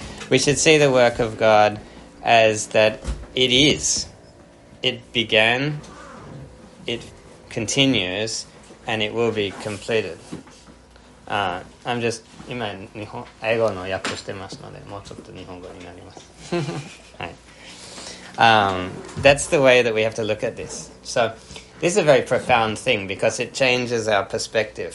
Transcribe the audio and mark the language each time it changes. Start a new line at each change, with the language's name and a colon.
English: We should see the work of God as that it is. It began, it continues, and it will be completed. I'm just
Japanese: 今日本英語の訳してますので、もうちょっと日本語になります。はい。
English: That's the way that we have to look at this. So, this is a very profound thing because it changes our perspective.